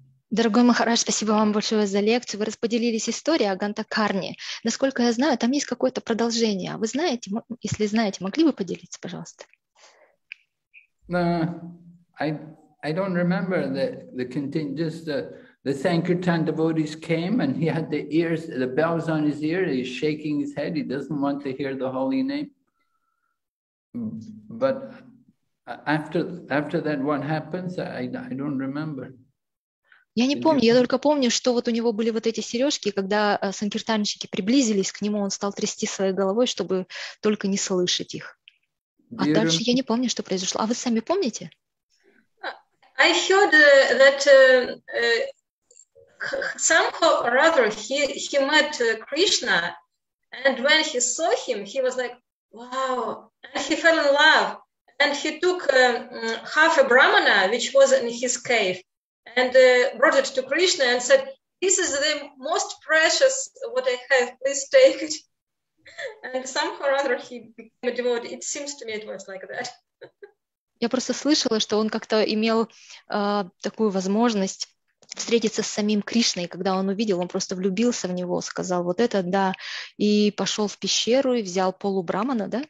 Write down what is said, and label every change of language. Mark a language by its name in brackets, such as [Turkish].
[Russian] Дорогой Махарадж, спасибо вам большое за лекцию. Вы распределились историей о Ghatakarna. Насколько я знаю, там есть какое-то продолжение. Вы знаете, если знаете, могли бы поделиться, пожалуйста? [English] I don't remember the continue, just the Sankirtan devotees came and he had the ears, the bells on his ear, he's shaking his head, he doesn't want to hear the holy name. But after that, what happens, I don't remember. [Russian] Я не помню, я только помню, что вот у него были вот эти сережки, когда санкиртанщики приблизились к нему, он стал трясти своей головой, чтобы только не слышать их. А дальше я не помню, что произошло. А вы сами помните? [English] I heard that somehow or other he met Krishna, and when he saw him, he was like, wow, and he fell in love. And he took half a brahmana, which was in his cave, and brought it to Krishna and said, "This is the most precious what I have. Please take it." And somehow or other he became a devotee. It seems to me it was like that. [Russian] Я просто слышала, что он как-то имел такую возможность встретиться с самим Кришной, и когда он увидел, он просто влюбился в него, сказал вот это, да, и пошел в пещеру и взял полубрамана, да?